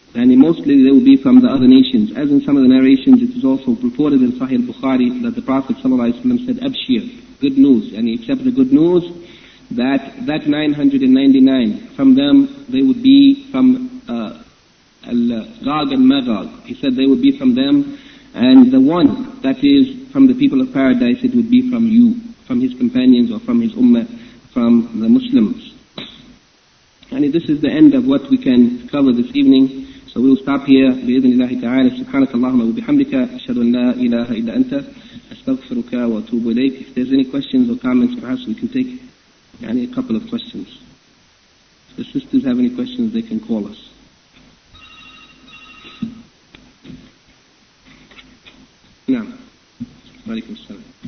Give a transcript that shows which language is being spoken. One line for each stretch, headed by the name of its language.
English: And mostly they will be from the other nations. As in some of the narrations, it is also reported in Sahih al-Bukhari that the Prophet ﷺ said, Abshir, good news, accept the good news, that 999, from them they would be from Gog and Magog. He said they would be from them, and the one that is from the people of paradise, it would be from you, from his companions or from his ummah, from the Muslims. This is the end of what we can cover this evening. So we'll stop here.
Arabic: بإذن الله تعالى سبحانك اللهم وبحمدك أشهد أن لا إله إلا أنت أستغفرك وأتوب إليك.
English: If there's any questions or comments, perhaps we can take a couple of questions. If the sisters have any questions, they can call us.
Arabic: نعم. وعليكم السلام.